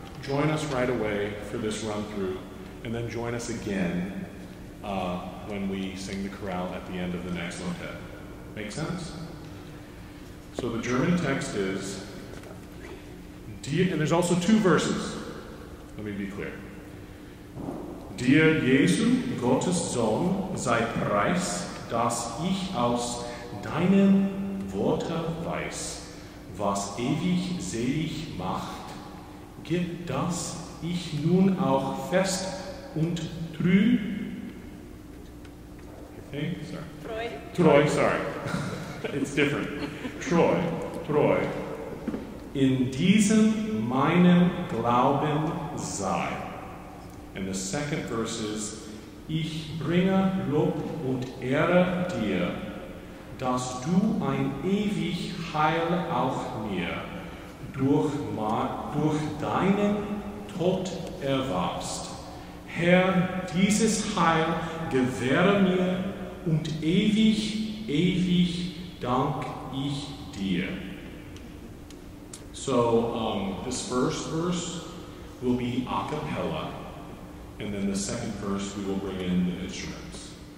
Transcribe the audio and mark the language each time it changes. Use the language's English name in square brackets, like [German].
[English] Join us right away for this run through, and then join us again when we sing the chorale at the end of the next motet. Make sense? So the German text is, and there's also two verses, let me be clear. [German] Dir Jesu, Gottes Sohn, sei Preis, dass ich aus deinem Worte weiß, was ewig selig macht, gib, dass ich nun auch fest und treu, Treu. In diesem meinem Glauben sei. [English] And the second verse is, [German] ich bringe Lob und Ehre dir, dass du ein ewig Heil auf mir durch deinen Tod erwarbst. Herr, dieses Heil gewähre mir und ewig, ewig dank ich dir. [English] So, this first verse will be a cappella, and then the second verse we will bring in the instruments.